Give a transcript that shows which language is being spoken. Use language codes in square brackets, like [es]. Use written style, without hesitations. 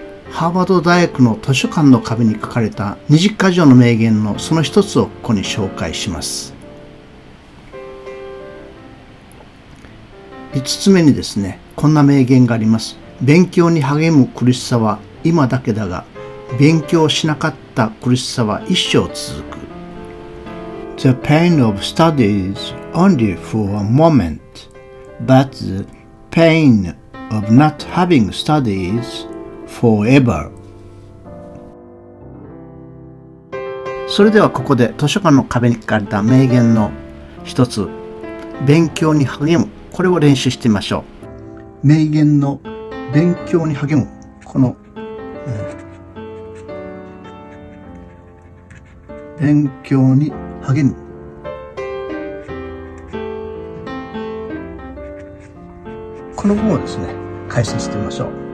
[ja] ハーバード大学の図書館の壁に書かれた20箇条の名言のその一つをここに紹介します。 5つ目にですね、こんな名言があります。勉強に励む苦しさは今だけだが、勉強しなかった苦しさは一生続く。 [en] The pain of study is only for a moment, but the pain of not having study isForever. [ja] それではここで図書館の壁に書かれた名言の一つ、勉強に励む、これを練習してみましょう。名言の勉強に励む、この、勉強に励む、この文をですね、解説してみましょう。